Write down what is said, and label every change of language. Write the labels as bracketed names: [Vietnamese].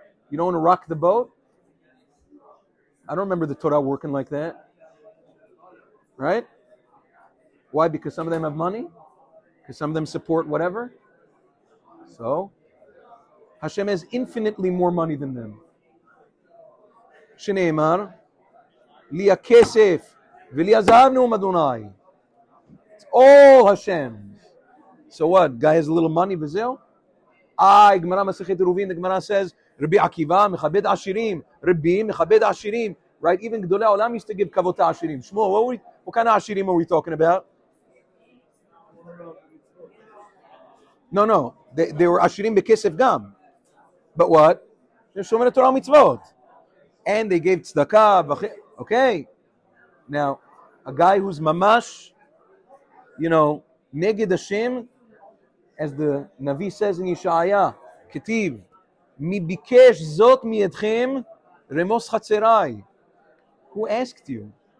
[English] You don't want to rock the boat? I don't remember the Torah working like that. Right? Why? Because some of them have money? Because some of them support whatever? So? Hashem has infinitely more money than them. [Hebrew] שנאמר, לי הכסף ולי הזהב נאום אדוני. [English] It's all Hashem. So what? Guy has a little money [Hebrew] וזהו? איי, גמרא מסכת עירובין, הגמרא [English] says, [Hebrew] רבי עקיבא מכבד עשירים, רבי מכבד עשירים. [English] Right? Even גדולי העולם used to give [Hebrew] כבוד העשירים. [English] שמו, what kind of עשירים are we talking about? No. They were עשירים בכסף גם. But what? They're [Hebrew] שומרי תורה ומצוות. [English] And they gave tzedakah. Okay. Now, a guy who's mamash, you know, neged Hashem, as the Navi says in Yeshaya, Ketiv, [Hebrew] mi bikesh zot mi edchem, remos chatzerai. [English] Who asked you?